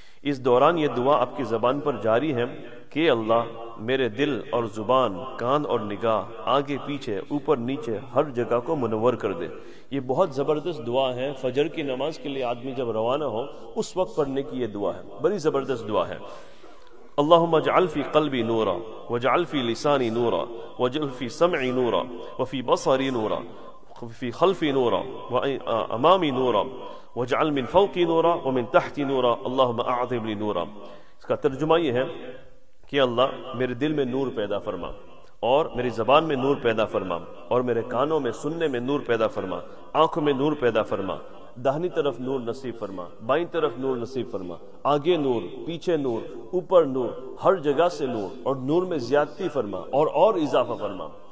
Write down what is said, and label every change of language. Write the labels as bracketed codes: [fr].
[ur] اس دوران یہ دعا آپ کی زبان پر جاری ہے کہ اللہ میرے دل اور زبان، کان اور نگاہ، آگے پیچھے، اوپر نیچے، ہر جگہ کو منور کر دے. یہ بہت زبردست دعا ہے، فجر کی نماز کے لیے آدمی جب روانہ ہو اس وقت پڑھنے کی یہ دعا ہے، بڑی زبردست دعا ہے. [ar] اللهم اجعل في قلبي نورا، واجعل في لساني نورا، واجعل في سمعي نورا، وفي بصري نورا، وفي خلفي نورا، وامامي نورا، واجعل من فوقي نورا ومن تحتي نورا، اللهم اعظم لي نورا. [ur] اس کا ترجمہ یہ ہے کہ اللہ میرے دل میں نور پیدا فرما، اور میری زبان میں نور پیدا فرما، اور میرے کانوں میں سننے میں نور پیدا فرما، آنکھوں میں نور پیدا فرما، دہنی طرف نور نصیب فرما، بائیں طرف نور نصیب فرما، آگے نور، پیچھے نور، اوپر نور، ہر جگہ سے نور، اور نور میں زیادتی فرما اور اضافہ فرما.